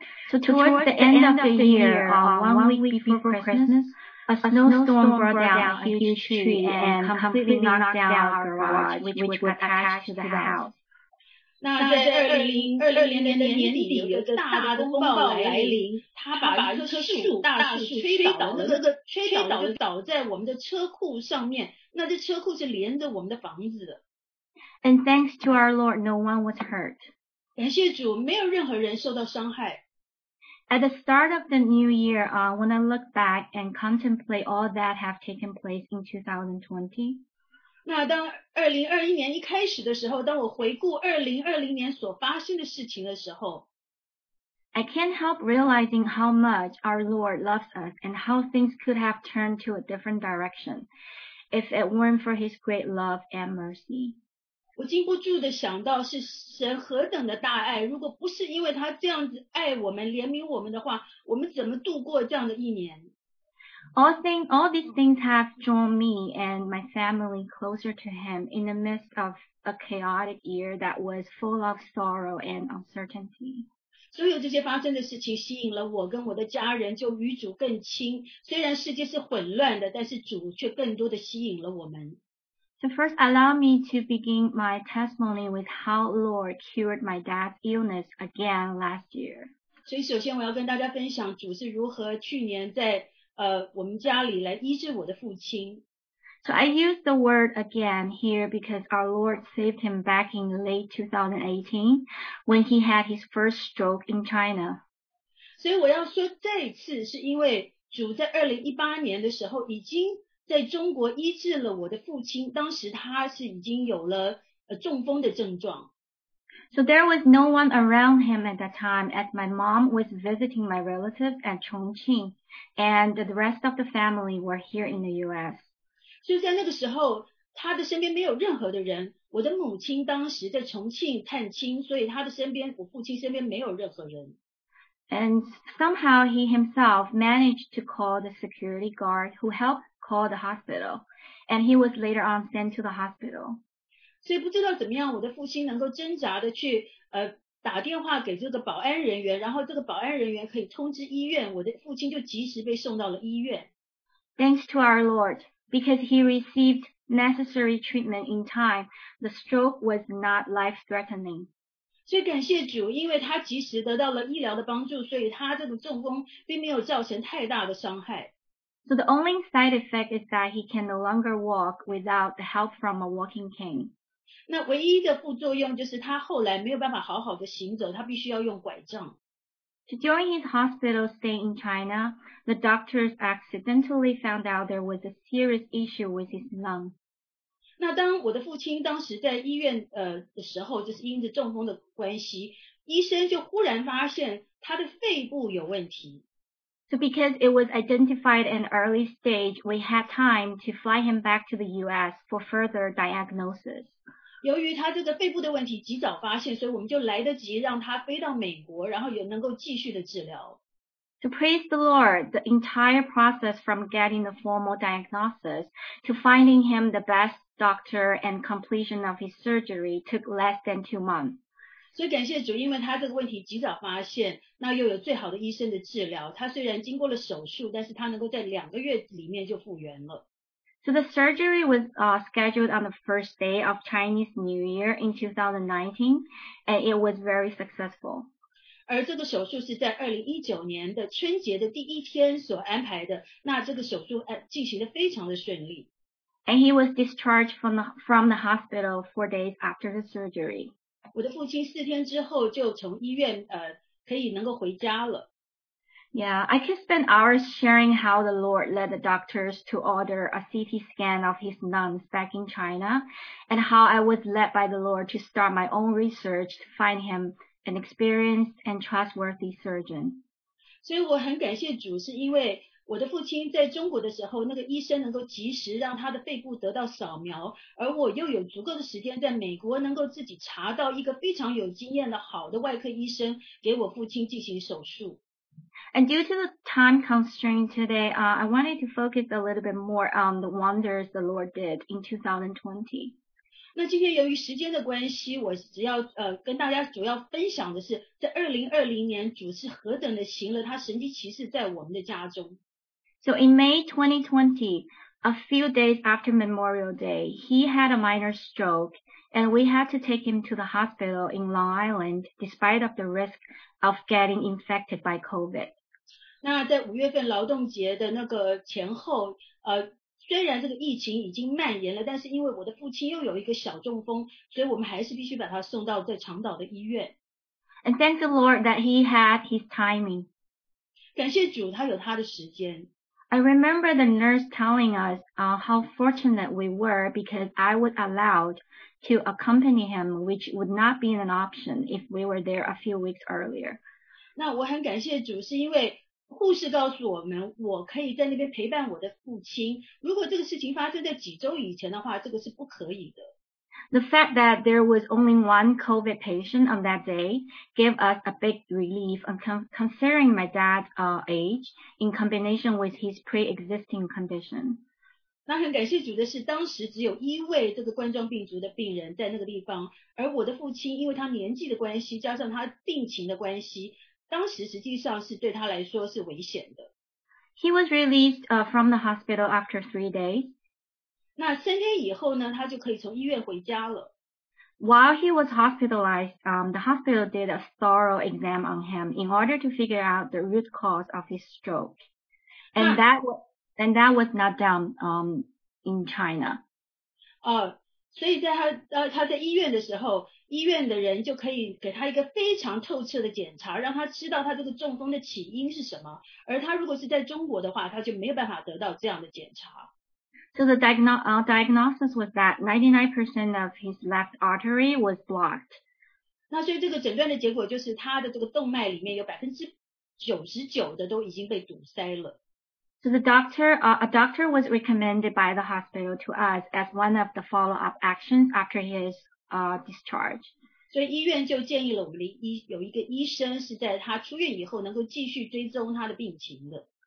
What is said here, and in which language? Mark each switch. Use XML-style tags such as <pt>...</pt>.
<en>So towards the end of the year, 1 week before Christmas, a snowstorm brought down a huge tree and completely knocked down our garage, which was attached to the house.</en> <zh>那在2020年年底有个大的风暴来临，他把一棵树大树吹倒，那个吹倒就倒在我们的车库上面。那这车库是连着我们的房子的。</zh> <en>And thanks to our Lord, no one was hurt.</en> <zh>感谢主，没有任何人受到伤害。</zh> <en>At the start of the new year, when I look back and contemplate all that have taken place in 2020.</en> <zh>那当2021年一开始的时候，当我回顾2020年所发生的事情的时候，</zh> <en>I can't help realizing how much our Lord loves us and how things could have turned to a different direction if it weren't for His great love and mercy.</en> <zh>我禁不住地想到是神何等的大爱，如果不是因为他这样子爱我们、怜悯我们的话，我们怎么度过这样的一年？</zh> <en>All these things have drawn me and my family closer to him in the midst of a chaotic year that was full of sorrow and uncertainty.</en> <zh>所有这些发生的事情吸引了我跟我的家人就与主更亲，虽然世界是混乱的，但是主却更多地吸引了我们。</zh> <en>So first, allow me to begin my testimony with how Lord cured my dad's illness again last year.</en> <zh>所以首先我要跟大家分享主是如何去年在我们家里来医治我的父亲。</zh> <en>So I use the word again here because our Lord saved him back in late 2018 when he had his first stroke in China.</en> <zh>所以我要说这一次是因为主在2018年的时候已经在中国医治了我的父亲，当时他是已经有了中风的症状。</zh> <en>So there was no one around him at that time as my mom was visiting my relative at Chongqing and the rest of the family were here in the US.</en> <zh>所以在那个时候，他的身边没有任何的人，我的母亲当时在重庆探亲，所以他的身边，我父亲身边没有任何人。</zh> <en>And somehow he himself managed to call the security guard who helpedcall the hospital, and he was later on sent to the hospital.</en> <zh>所以不知道怎么样，我的父亲能够挣扎的去打电话给这个保安人员，然后这个保安人员可以通知医院，我的父亲就及时被送到了医院。</zh> <en>Thanks to our Lord, because he received necessary treatment in time, the stroke was not life-threatening.</en> <zh>所以感谢主，因为他及时得到了医疗的帮助，所以他这个中风并没有造成太大的伤害。</zh> <en>So the only side effect is that he can no longer walk without the help from a walking cane.</en> <zh>那唯一的副作用就是他后来没有办法好好的行走，他必须要用拐杖。</zh> <en>So during his hospital stay in China, the doctors accidentally found out there was a serious issue with his lung.</en> <zh>那当我的父亲当时在医院的时候，就是因着中风的关系，医生就忽然发现他的肺部有问题。</zh> <en>So because it was identified at an early stage, we had time to fly him back to the U.S. for further diagnosis.</en> <zh>由于他这个肺部的问题及早发现，所以我们就来得及让他飞到美国，然后也能够继续的治疗。</zh> <en>So praise the Lord, the entire process from getting the formal diagnosis to finding him the best doctor and completion of his surgery took less than 2 months.</en> <zh>所以感谢主，因为他这个问题及早发现，那又有最好的医生的治疗，他虽然经过了手术，但是他能够在2个月里面就复原了。</zh> <en>So the surgery was scheduled on the first day of Chinese New Year in 2019, and it was very successful.</en> <zh>而这个手术是在2019年的春节的第一天所安排的，那这个手术进行的非常的顺利。</zh> <en>And he was discharged from the hospital 4 days after the surgery.</en> <zh>我的父亲4天之后就从医院可以能够回家了。</zh> <en>Yeah, I could spend hours sharing how the Lord led the doctors to order a CT scan of his lungs back in China, and how I was led by the Lord to start my own research to find him an experienced and trustworthy surgeon.</en> <zh>所以我很感谢主，是因为我的父亲在中国的时候，那个医生能够及时让他的肺部得到扫描，而我又有足够的时间在美国能够自己查到一个非常有经验的好的外科医生给我父亲进行手术。</zh> <en>And due to the time constraint today, I wanted to focus a little bit more on the wonders the Lord did in 2020.</en> <zh>那今天由于时间的关系，我只要跟大家主要分享的是，在2020年主是何等的行了他神迹奇事在我们的家中。</zh> <en>So in May 2020, a few days after Memorial Day, he had a minor stroke, and we had to take him to the hospital in Long Island despite of the risk of getting infected by COVID.</en> <zh>那在5月份劳动节的那个前后，虽然这个疫情已经蔓延了，但是因为我的父亲又有一个小中风，所以我们还是必须把他送到在长岛的医院。</zh> <en>And thank the Lord that he had his timing.</en> <zh>感谢主他有他的时间。</zh> <en>I remember the nurse telling us how fortunate we were because I was allowed to accompany him, which would not be an option if we were there a few weeks earlier.</en> <zh>那我很感谢主是因为护士告诉我们我可以在那边陪伴我的父亲。如果这个事情发生在几周以前的话这个是不可以的。</zh> <en>The fact that there was only one COVID patient on that day gave us a big relief considering my dad's age in combination with his pre-existing condition.</en> <zh>那很感谢主的是当时只有一位这个冠状病毒的病人在那个地方而我的父亲因为他年纪的关系加上他病情的关系当时实际上是对他来说是危险的。</zh> <en>He was released from the hospital after 3 days.</en> <zh>那三天以后呢他就可以从医院回家了。</zh> <en>While he was hospitalized, the hospital did a thorough exam on him in order to figure out the root cause of his stroke. And that was not done in China.</en> <zh>所以在 他在医院的时候医院的人就可以给他一个非常透彻的检查让他知道他这个中风的起因是什么而他如果是在中国的话他就没有办法得到这样的检查。</zh> <en>So the diagnosis was that 99% of his left artery was blocked.</en> <zh>那所以这个诊断的结果就是他的这个动脉里面有 99% 的都已经被堵塞了。</zh> <en>So the doctor, a doctor was recommended by the hospital to us as one of the follow-up actions after his discharge.</en> <zh>所以医院就建议了我们的医有一个医生是在他出院以后能够继续追踪他的病情的。</zh>